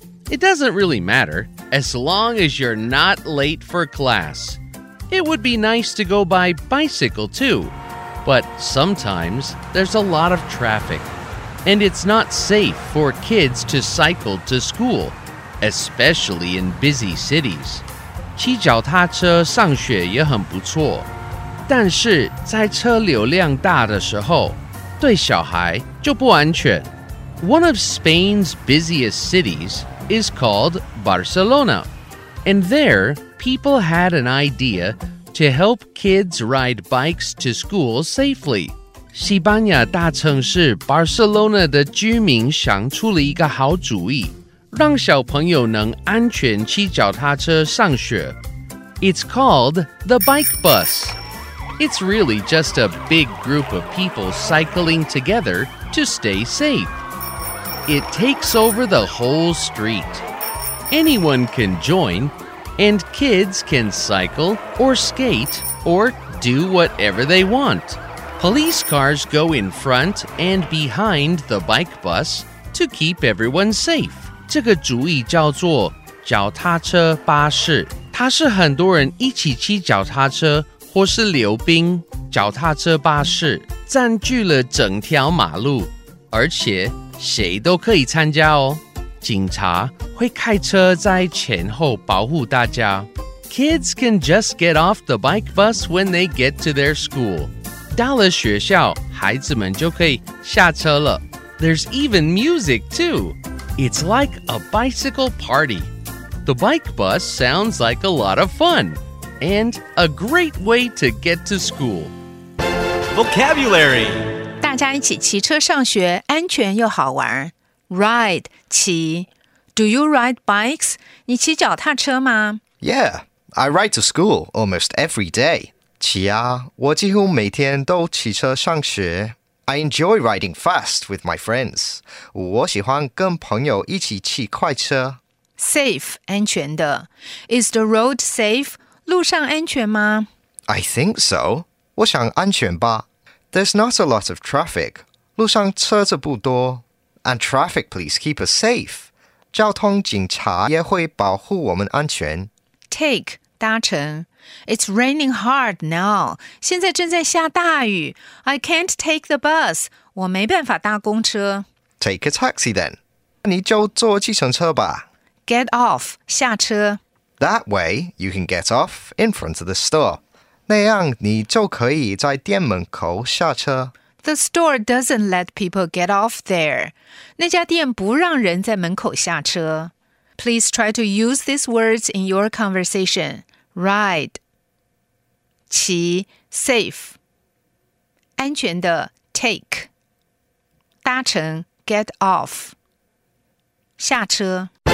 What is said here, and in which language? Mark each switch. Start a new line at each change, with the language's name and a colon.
English: It doesn't really matter, as long as you're not late for class. It would be nice to go by bicycle too. But sometimes there's a lot of traffic. And it's not safe for kids to cycle to school, especially in busy cities.
Chinese: 骑脚踏车上学也很不错，但是在车流量大的时候，对小孩就不安全。
English: One of Spain's busiest cities is called Barcelona. And there, people had an idea to help kids ride bikes to school safely.
Chinese: 西班牙大城市 Barcelona 的居民想出了一个好主意，让小朋友能安全骑脚踏车上学。
English: It's called the bike bus. It's really just a big group of people cycling together to stay safe. It takes over the whole street. Anyone can join, and kids can cycle or skate or do whatever they want. Police cars go in front and behind the bike bus to keep everyone safe.
Chinese: 这个主意叫做脚踏车巴士。它是很多人一起骑脚踏车或是溜冰。脚踏车巴士占据了整条马路，而且谁都可以参加哦。警察会开车在前后保护大家。
English: Kids can just get off the bike bus when they get to their school.
Chinese: 到了学校，孩子们就可以下车了。
English: There's even music too. It's like a bicycle party. The bike bus sounds like a lot of fun and a great way to get to school. Vocabulary.
Chinese: 大家一起骑车上学，安全又好玩。
English: Ride, 骑。Do you ride bikes?
Chinese: 你骑脚踏车吗？
English: Yeah, I ride to school almost every day.
Chinese: 骑啊，我几乎每天都骑车上学。
English: I enjoy riding fast with my friends.
Chinese: 我喜欢跟朋友一起骑快车。
English: Safe, 安全的。Is the road safe?
Chinese: 路上安全吗？
English: I think so.
Chinese: 我想安全吧。
English: There's not a lot of traffic.
Chinese: 路上车子不多。
English: And traffic police keep us safe.
Chinese: 交通警察也会保护我们安全。
English: Take, 搭乘。It's raining hard now.
Chinese: 现在正在下大雨。
English: I can't take the bus.
Chinese: 我没办法搭公车。
English: Take a taxi then.
Chinese: 你就坐计程车吧。
English: Get off, 下车。 That way, you can get off in front of the store.
Chinese: 那样你就可以在店门口下车。
English: The store doesn't let people get off there.
Chinese: 那家店不让人在门口下车。
English: Please try to use these words in your conversation. Ride, 骑, safe, 安全的, take, 搭乘, get off, 下车。